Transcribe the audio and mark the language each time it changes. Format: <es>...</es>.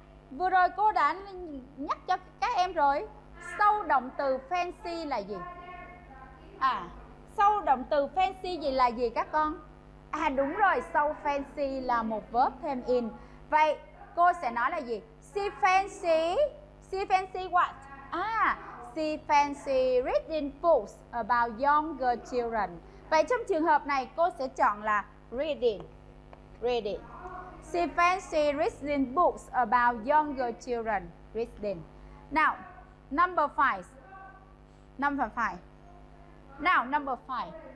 <vi>Vừa rồi cô đã nhắc cho các em rồi. Sau động từ fancy là gì? À, sau động từ fancy gì là gì các con? À đúng rồi, sau fancy là một verb thêm in. Vậy cô sẽ nói là gì?</vi> <en>She fancy what? À, she fancy reading books about younger children.</en> <vi>Vậy trong trường hợp này cô sẽ chọn là reading.</vi> <en>Reading. She fancy reading books about younger children. Reading. Now, number 5. Number 5. Now, number 5.</en>